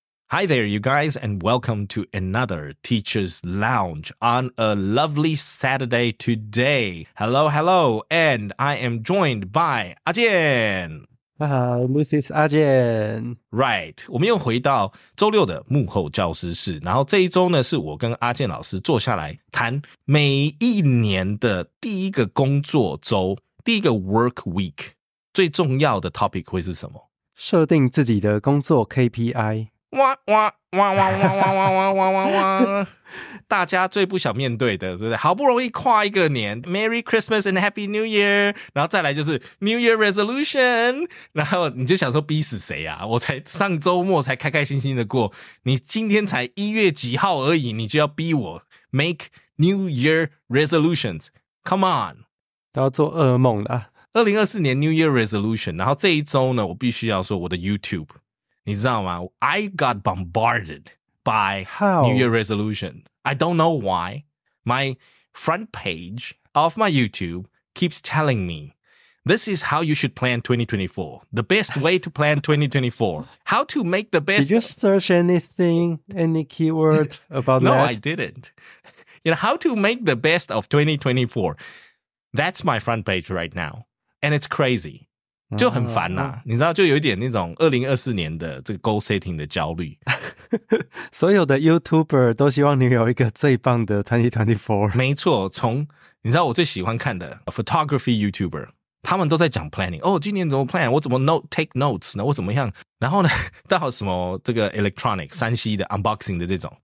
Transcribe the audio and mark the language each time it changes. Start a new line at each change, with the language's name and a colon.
English: Hi there, you guys, and welcome to another Teacher's Lounge on a lovely Saturday today. Hello, hello, and I am joined by 阿健。
Chinese: 大家好
English: ，This is 阿健。
Chinese: Right， 我们又回到周六的幕后教师室。然后这一周呢，是我跟阿健老师坐下来谈每一年的第一个工作周，第一个 Work Week 最重要的 topic 会是什么？设定自己的工作 KPI。哇哇哇哇哇哇哇哇哇哇哇！大家最不想面对的，对不对？好不容易跨一个年 ，
English: Merry Christmas and Happy New Year，
Chinese: 然后再来就是 New Year Resolution， 然后你就想说逼死谁啊？我才上周末才开开心心的过，你今天才一月几号而已，你就要逼我
English: make New Year Resolutions？ Come on，
Chinese: 都要做噩梦了。 2024年 New Year Resolution， 然后这一周呢，我必须要说我的 YouTube。你知道吗
English: ？I got bombarded by New Year resolution. I don't know why. My front page of my YouTube keeps telling me, "This is how you should plan 2024. The best way to plan 2024. How to make the best." Did you search anything, any keyword about no, that? No, I didn't. You know how to make the best of 2024. That's my front page right now, and it's crazy.
Chinese: 就很烦啦、啊、你知道就有一点那种2024年的这个 goal setting 的焦虑。所有的 YouTuber 都希望你有一个最棒的2024。没错，从你知道我最喜欢看的 photography YouTuber, 他们都在讲 planning, 哦今年怎么 plan, 我怎么 note, take notes, 呢我怎么样然后呢到什么这个 electronic, 3C 的 unboxing 的这种。